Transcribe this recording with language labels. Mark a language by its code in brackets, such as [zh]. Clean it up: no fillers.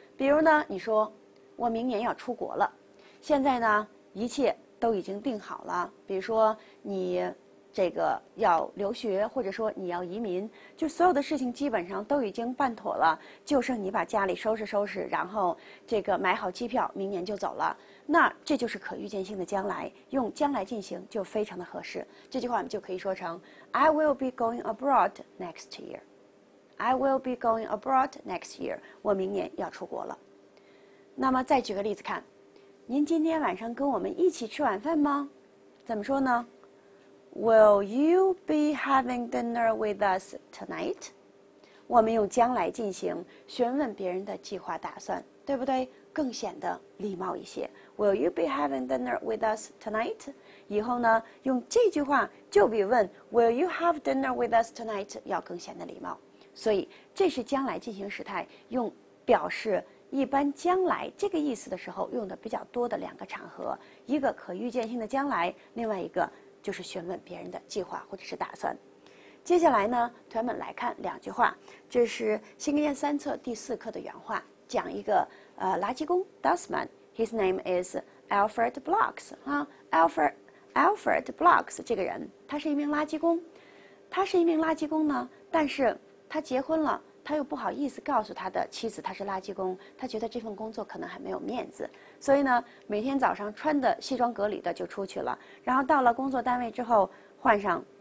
[zh] 比如呢，你说我明年要出国了，现在呢一切都已经定好了，比如说你这个要留学或者说你要移民，就所有的事情基本上都已经办妥了，就剩你把家里收拾收拾，然后这个买好机票，明年就走了。那这就是可预见性的将来，用将来进行就非常的合适。这句话我们就可以说成 [en] I will be going abroad next year. I will be going abroad next year. [zh] 我明年要出国了。那么再举个例子看，您今天晚上跟我们一起吃晚饭吗？怎么说呢？ [en] Will you be having dinner with us tonight? [zh] 我们用将来进行询问别人的计划打算，对不对？更显得礼貌一些。 [en] Will you be having dinner with us tonight? [zh] 以后呢，用这句话就比问 [en] Will you have dinner with us tonight? [zh] 要更显得礼貌。所以这是将来进行时态用表示一般将来这个意思的时候用的比较多的两个场合，一个可预见性的将来，另外一个就是询问别人的计划或者是打算。接下来呢，同学们来看两句话，这是新概念三册第四课的原话，讲一个垃圾工 Dustman， [en] His name is Alfred Blocks、 [zh] Alfred Blocks 这个人他是一名垃圾工，呢，但是他结婚了，他又不好意思告诉他的妻子他是垃圾工，他觉得这份工作可能还没有面子，所以呢每天早上穿的西装革履的就出去了，然后到了工作单位之后换上